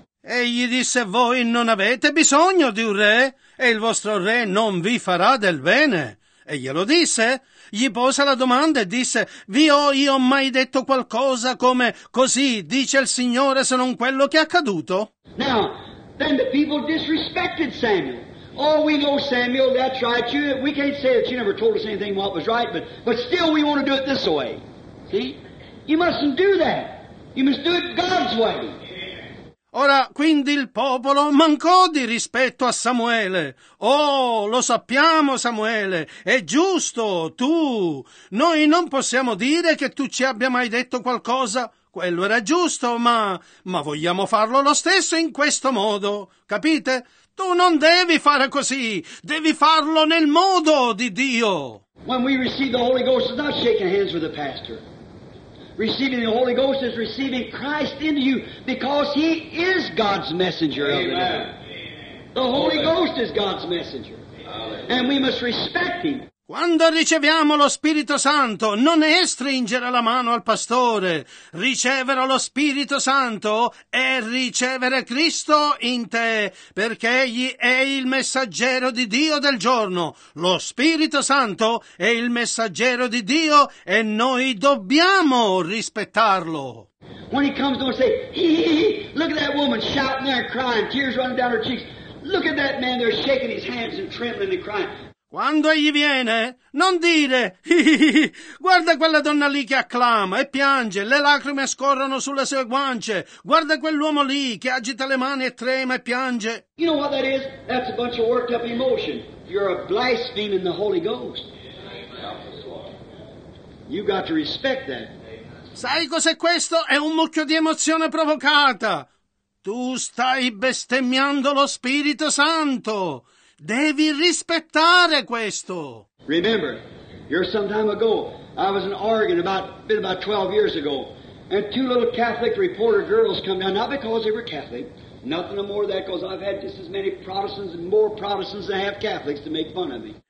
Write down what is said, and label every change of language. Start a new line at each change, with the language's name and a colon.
Italian: Egli disse, voi non avete bisogno di un re, e il vostro re non vi farà del bene. E glielo disse, gli pose la domanda e disse, vi ho io mai detto qualcosa come, così dice il Signore, se non quello che è accaduto?
English: Now, then the people disrespected Samuel. Oh, we know Samuel, that's right. You, we can't say that you never told us anything what was right, but still we want to do it this way. See? You mustn't do that. You must do it God's way.
Italian: Ora, quindi il popolo mancò di rispetto a Samuele. Oh, lo sappiamo, Samuele, è giusto, tu. Noi non possiamo dire che tu ci abbia mai detto qualcosa. Quello era giusto, ma vogliamo farlo lo stesso in questo modo. Capite? Tu non devi fare così, devi farlo nel modo di Dio.
English: When we receive the Holy Ghost, it's not shaking hands with the pastor. Receiving the Holy Ghost is receiving Christ into you, because He is God's messenger. Amen. Of the day. The Holy Ghost is God's messenger. Hallelujah. And we must respect Him.
Italian: Quando riceviamo lo Spirito Santo, non è stringere la mano al pastore. Ricevere lo Spirito Santo è ricevere Cristo in te, perché Egli è il messaggero di Dio del giorno. Lo Spirito Santo è il messaggero di Dio e noi dobbiamo rispettarlo.
English: When he comes to say, look at that woman shouting there and crying, tears running down her cheeks. Look at that man there shaking his hands and trembling and crying.
Italian: Quando egli viene, non dire, guarda quella donna lì che acclama e piange, le lacrime scorrono sulle sue guance, guarda quell'uomo lì che agita le mani e trema e piange.
English: You know what that is? That's a bunch of worked up emotion. You're a blaspheming the Holy Ghost. You've got to respect that.
Italian: Sai cos'è questo? È un mucchio di emozione provocata. Tu stai bestemmiando lo Spirito Santo. Devi rispettare questo.
English: Remember, here some time ago, I was in Oregon about 12 years ago, and two little Catholic reporter girls come down, not because they were Catholic, Nothing more of that, because I've had just as many Protestants and more Protestants than I have Catholics to make fun of me.